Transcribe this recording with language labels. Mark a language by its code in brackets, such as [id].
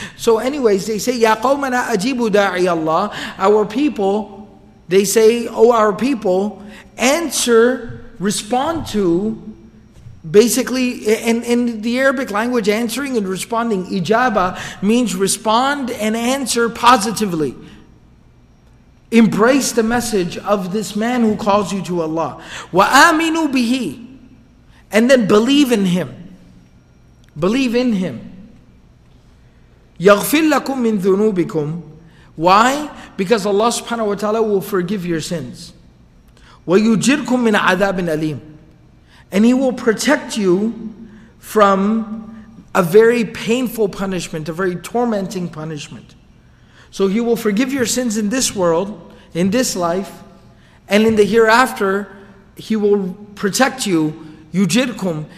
[en] So anyways, they say, [ar] Ya qawmana ajibu da'i Allah. [en] Our people, they say, oh our people, answer, respond to, basically, in the Arabic language, answering and responding, ijaba, means respond and answer positively. Embrace the message of this man who calls you to Allah. [ar] وَآمِنُوا بِهِ [en] And then believe in him. Believe in him. [ar] يَغْفِرْ لَكُمْ مِنْ ذُنُوبِكُمْ [en] Why? Because Allah subhanahu wa ta'ala will forgive your sins. [ar] وَيُجِرْكُمْ مِنْ عَذَابٍ أَلِيمٍ [en] And he will protect you from a very painful punishment, a very tormenting punishment. So he will forgive your sins in this world, in this life, and in the hereafter, he will protect you, yujirkum.